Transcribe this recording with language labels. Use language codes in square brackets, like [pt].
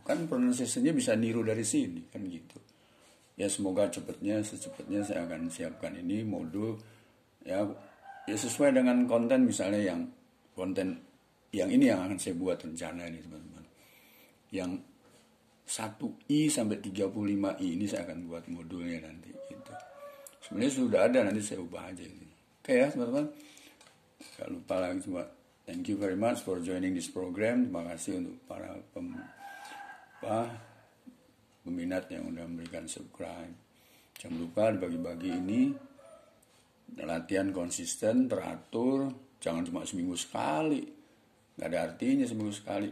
[id] Kan pronunciation-nya bisa niru dari sini kan gitu. Ya semoga cepatnya, secepatnya saya akan siapkan ini modul ya, ya sesuai dengan konten, misalnya yang konten yang ini yang akan saya buat rencana ini teman-teman. Yang 1i sampai 35i ini saya akan buat modulnya nanti gitu. Sebenarnya sudah ada, nanti saya ubah aja ini. Oke ya teman-teman. Gak lupa lagi cuma [en] thank you very much for joining this program. [id] Terima kasih untuk para peminat yang udah memberikan subscribe. Jangan lupa dibagi-bagi ini. Latihan konsisten, teratur. Jangan cuma seminggu sekali. Gak ada artinya seminggu sekali.